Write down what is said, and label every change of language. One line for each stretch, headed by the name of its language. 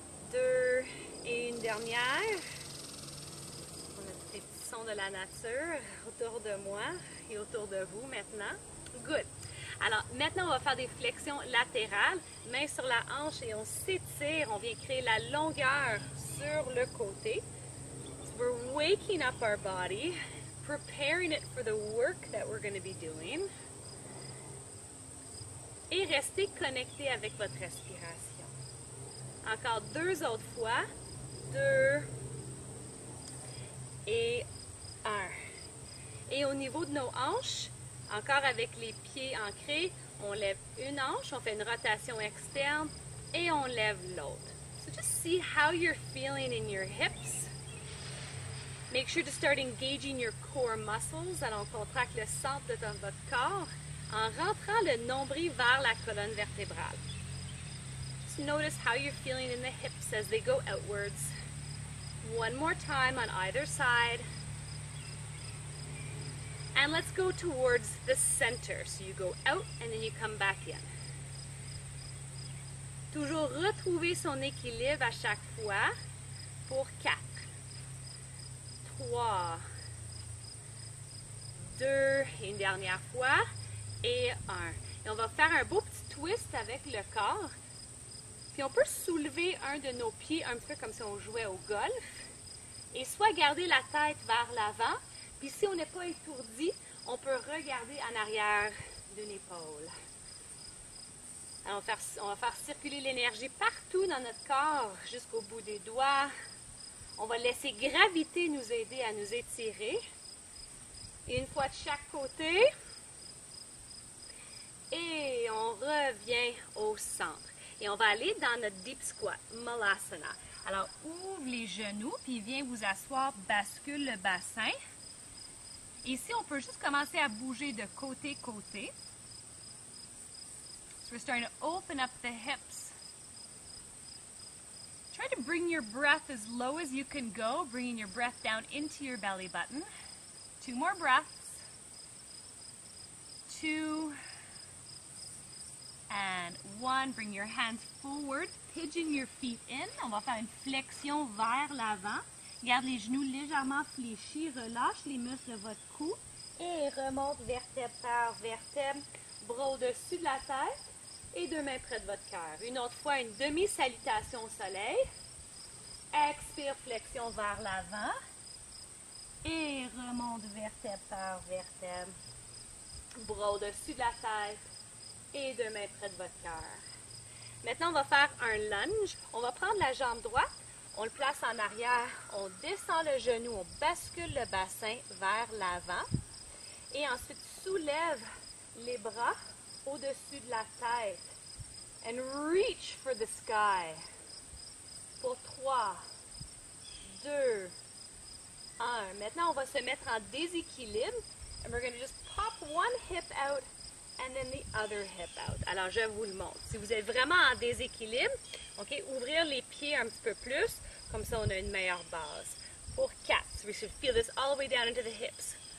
French: Deux et une dernière. On a des petits sons de la nature autour de moi et autour de vous maintenant.
English: Good!
French: Alors, maintenant, on va faire des flexions latérales. Mains sur la hanche et on s'étire. On vient créer la longueur sur le côté.
English: So we're waking up our body. Preparing it for the work that we're going to be doing.
French: Et restez connecté avec votre respiration. Encore deux autres fois. Deux. Et un. Et au niveau de nos hanches, encore avec les pieds ancrés, on lève une hanche, on fait une rotation externe et on lève l'autre.
English: So just see how you're feeling in your hips. Make sure to start engaging your core muscles.
French: Alors, on contracte le centre de votre corps en rentrant le nombril vers la colonne vertébrale.
English: Just notice how you're feeling in the hips as they go outwards. One more time on either side. And let's go towards the center. So you go out and then you come back in.
French: Toujours retrouver son équilibre à chaque fois pour quatre. 3, 2, une dernière fois, et 1. Et on va faire un beau petit twist avec le corps. Puis on peut soulever un de nos pieds un peu comme si on jouait au golf. Et soit garder la tête vers l'avant. Puis si on n'est pas étourdi, on peut regarder en arrière d'une épaule. Alors on va faire circuler l'énergie partout dans notre corps, jusqu'au bout des doigts. On va laisser gravité nous aider à nous étirer. Et une fois de chaque côté. Et on revient au centre. Et on va aller dans notre deep squat, malasana. Alors, ouvre les genoux, puis viens vous asseoir, bascule le bassin. Ici, on peut juste commencer à bouger de côté à côté.
English: So we're starting to open up the hips. Try to bring your breath as low as you can go, bringing your breath down into your belly button. Two more breaths. Two. And one, bring your hands forward, pigeon your feet in.
French: On va faire une flexion vers l'avant. Garde les genoux légèrement fléchis, relâche les muscles de votre cou. Et remonte vertèbre par vertèbre, bras au-dessus de la tête et deux mains près de votre cœur. Une autre fois, une demi-salutation au soleil. Expire, flexion vers l'avant. Et remonte vertèbre par vertèbre, bras au-dessus de la tête et deux mains près de votre cœur. Maintenant, on va faire un lunge. On va prendre la jambe droite. On le place en arrière, on descend le genou, on bascule le bassin vers l'avant. Et ensuite, soulève les bras au-dessus de la tête.
English: And reach for the sky.
French: Pour 3, 2, 1. Maintenant, on va se mettre en déséquilibre.
English: And we're going to just pop one hip out and then the other hip out.
French: Alors, je vous le montre. Si vous êtes vraiment en déséquilibre, OK, ouvrir les pieds un petit peu plus. Comme ça, on a une meilleure base. Pour 4,
English: we should feel this all the way down into the hips.